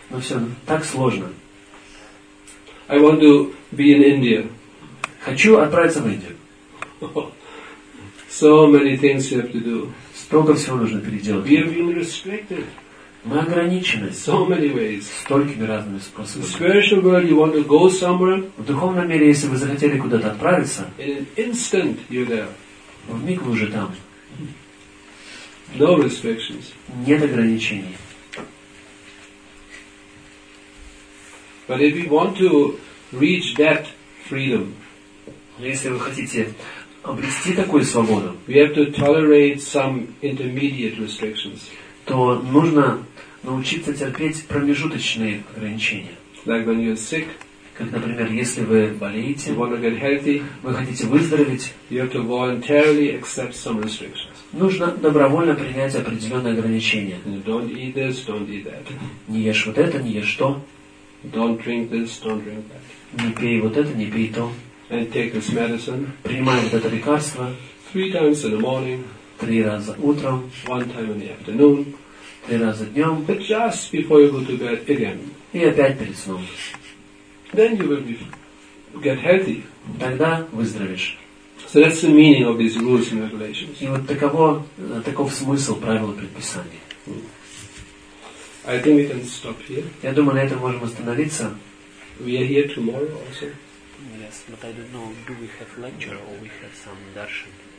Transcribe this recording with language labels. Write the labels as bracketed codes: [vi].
[ru] Но все так сложно. [en] I want to be in India. [ru] Хочу отправиться в Индию. [en] So many things you have to do. [ru] Столько всего нужно переделать. [en] We have been restricted. [ru] Мы ограничены. [en] So many ways. [ru] Столькими разными способами. [en] In the spiritual world, you want to go somewhere. [ru] В духовном мире, если вы захотели куда-то отправиться, [en] in an instant you're there. [ru] В миг вы уже там. [en] No restrictions. [ru] Нет ограничений. [en] But if you want to reach that freedom. [ru] Но если вы хотите обрести такую свободу, [en] we have to tolerate some intermediate restrictions. [ru] То нужно научиться терпеть промежуточные ограничения. [en] Like when you're sick, [ru] как, например, если вы болеете, [en] you want to get healthy, [ru] вы хотите выздороветь, [en] you have to voluntarily accept some restrictions. [ru] Нужно добровольно принять определенные ограничения. [en] You don't eat this, don't eat that. [ru] Не ешь вот это, не ешь то. [en] Don't drink this, don't drink that. [ru] Не пей вот это, не пей то. [en] And take this medicine. [ru] Принимай вот это лекарство. [en] Three times in the morning. [ru] Три раза утром. [en] One time in the afternoon. [ru] Три раза днем. [en] But just before you go to bed again. [ru] И опять перед сном. [en] Then you will get healthy. [ru] Тогда выздоровеешь. [en] So that's the meaning of these rules and regulations. [ru] И вот таков смысл правил и предписаний. [en] I think we can stop here. [ru] Я думаю, на этом можем остановиться. [en] We are here tomorrow also. Yes, but I don't know, do we have lecture or we have some darshan?